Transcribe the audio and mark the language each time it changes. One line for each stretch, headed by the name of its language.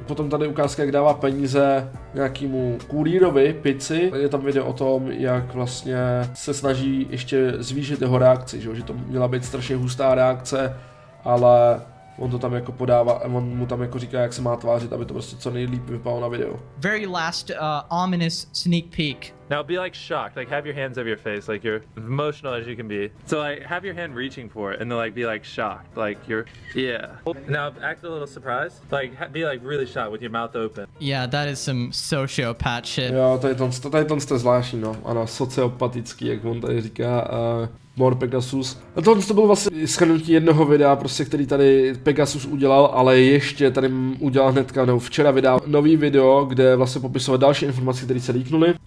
Czech: Potom tady ukázka, jak dává peníze nějakému kurýrovi pizzy. Je tam video o tom, jak vlastně se snaží ještě zvýšit jeho reakci, že to měla být strašně hustá reakce, ale on to tam jako podává, on mu tam jako říká, jak se má tvářit, aby to prostě co nejlíp vypadalo na video.
English: Very last ominous sneak peek. Now be like shocked, like have your hands over your face, like you're emotional as you can be. So like have your hand reaching for it and then like be like shocked, like you're, yeah. Now act a little surprised, like be like really shocked with your mouth open. Yeah, that is some sociopath shit.
Czech: Jo, tady to jste zvláštní, no. Ano, sociopatický, jak on tady říká, more Pegasus. A tohle to bylo vlastně shrnutí jednoho videa, prostě, který tady Pegasus udělal, ale ještě tady udělal hnedka, nebo včera vydal nový video, kde vlastně popisoval další informace, které se líknuly.